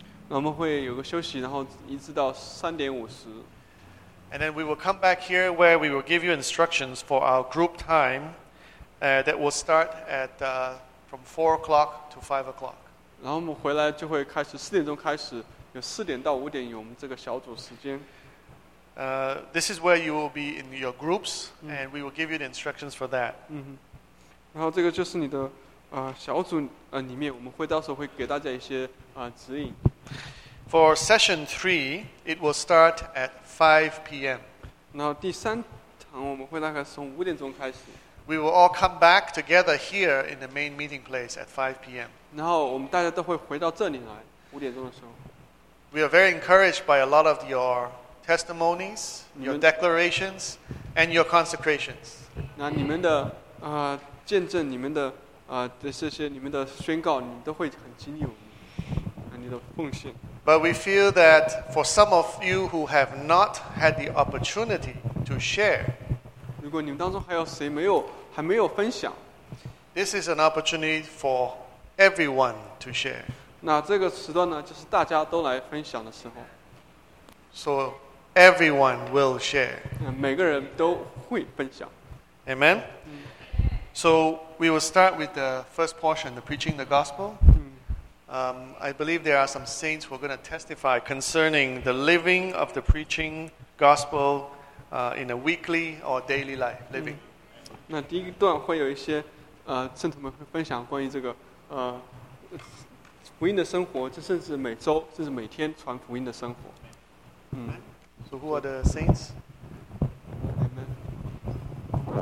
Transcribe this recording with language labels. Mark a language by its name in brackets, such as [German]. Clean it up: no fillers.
[Chinese] 那我们会有个休息，然后一直到三点五十。 [English] And then we will come back here where we will give you instructions for our group time, that will start at from 4:00 to 5:00. [Chinese] 然后我们回来就会开始四点钟开始，有四点到五点有我们这个小组时间。 [English] This is where you will be in your groups, and we will give you the instructions for that. [Chinese] 然后这个就是你的小组里面，我们会到时候会给大家一些指引。 [English] For session 3, it will start at 5 p.m. [Chinese] 然后第三堂我们会大概从五点钟开始。 [English] We will all come back together here in the main meeting place at 5 p.m. [Chinese] 然后我们大家都会回到这里来，五点钟的时候。 [English] We are very encouraged by a lot of your testimonies, your declarations, and your consecrations. [Chinese] 那你们的见证，你们的这些你们的宣告，你们都会很激励我们，你的奉献。 [English] But we feel that for some of you who have not had the opportunity to share, [Chinese] 如果你们当中还有谁还没有分享， [English] this is an opportunity for everyone to share. [Chinese] 那这个时段呢，就是大家都来分享的时候。 [English] So everyone will share. [Chinese] 每个人都会分享。 [English] Amen. So we will start with the first portion, the preaching the gospel. I believe there are some saints who are going to testify concerning the living of the preaching gospel in a weekly or daily life living. [Chinese] 那第一段会有一些圣徒们会分享关于这个福音的生活，就甚至每周甚至每天传福音的生活。 [English] So who are the saints? Amen.